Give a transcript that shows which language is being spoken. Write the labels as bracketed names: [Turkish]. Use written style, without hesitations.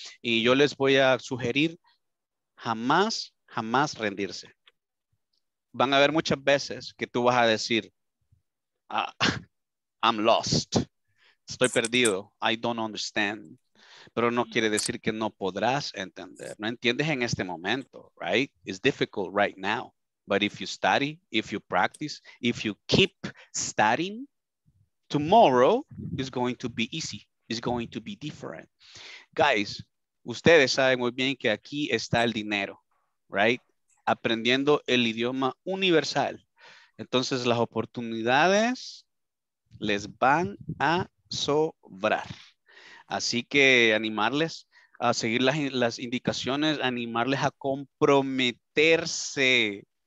[Spanish] Y yo les voy a sugerir jamás, jamás rendirse. Van a haber muchas veces que tú vas a decir, [English] I'm lost. [Spanish] Estoy perdido. [English] I don't understand. [Spanish] Pero no quiere decir que no podrás entender. No entiendes en este momento, [English] right? It's difficult right now. But if you study, if you practice, if you keep studying, tomorrow is going to be easy. It's going to be different. [Spanish] Guys, ustedes saben muy bien que aquí está el dinero, right? Aprendiendo el idioma universal. Entonces las oportunidades les van a sobrar. Así que animarles a seguir las indicaciones, animarles a comprometerse.